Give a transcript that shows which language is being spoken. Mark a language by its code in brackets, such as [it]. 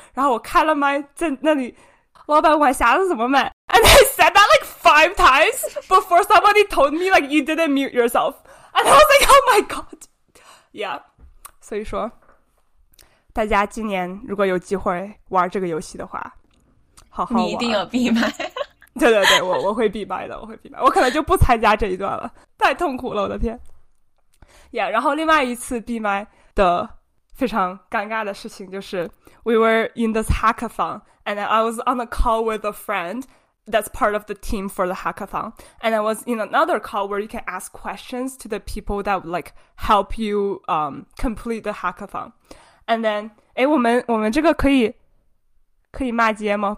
[zh] 然后我开了麦在那里，老板管匣子怎么买？ [en] And I said that like 5 times before somebody told me like you didn't mute yourself. And I was like, oh my god. Yeah. [zh] 所以说大家今年如果有机会玩这个游戏的话，好好玩。你一定有闭麦。对对对，我会闭麦的，我会闭麦。我可能就不参加这一段了。太痛苦了，我的天。 [en] Yeah, [zh] 然后另外一次闭麦的非常尴尬的事情就是 [en] we were in this hackathon and I was on a call with a friend that's part of the team for the hackathon and I was in another call where you can ask questions to the people that would like help you complete the hackathon and then [zh] 诶我们这个可以骂街吗？